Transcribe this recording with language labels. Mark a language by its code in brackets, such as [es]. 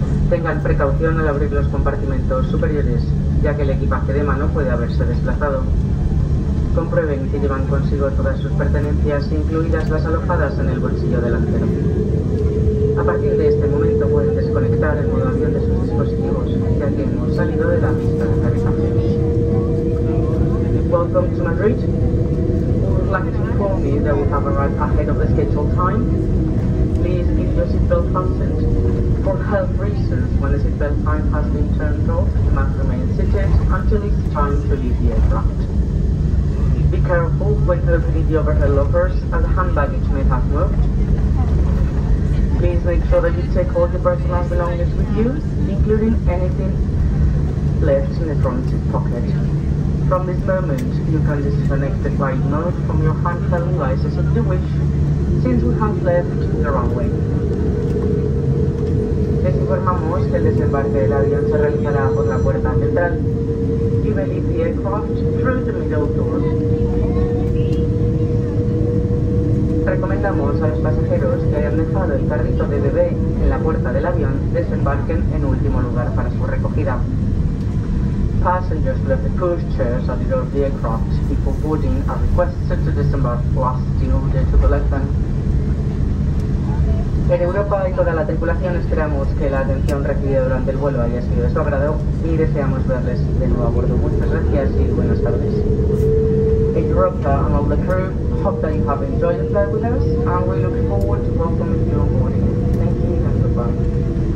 [es] Tengan precaución al abrir los compartimentos superiores, ya que el equipaje de mano puede haberse desplazado. Comprueben que llevan consigo todas sus pertenencias, incluidas las alojadas en el bolsillo delantero. A partir de este momento pueden desconectar el modo avión de sus dispositivos, ya que hemos salido de la pista de aterrizaje. [en] Welcome to Madrid. We would like to inform you that we have arrived ahead of the scheduled time. Please keep your seatbelt fastened. For health reasons, when the seatbelt sign has been turned off, you must remain seated until it's time to leave the aircraft. Be careful when opening the overhead lockers, as the hand baggage may have moved. Please make sure that you take all your personal belongings with you, including anything left in the front seat pocket. From this moment, you can disconnect the flight mode from your handheld devices if you wish, since we have left the runway. [es] Les informamos que el desembarque del avión se realizará por la puerta central. [en] You may leave the aircraft through the middle door. [es] Recomendamos a los pasajeros que hayan dejado el carrito de bebé en la puerta del avión desembarquen en último lugar para su recogida. [en] Passengers who have pushed chairs at the door of the aircraft before boarding are requested to disembark last in order to collect them. [es] Air Europa y toda la tripulación esperamos que la atención recibida durante el vuelo haya sido de su agrado y deseamos verles de nuevo a bordo. Muchas gracias y buenas tardes. [en] Air Europa and all the crew, hope that you have enjoyed the flight with us and we look forward to welcoming you on boarding. Thank you and goodbye.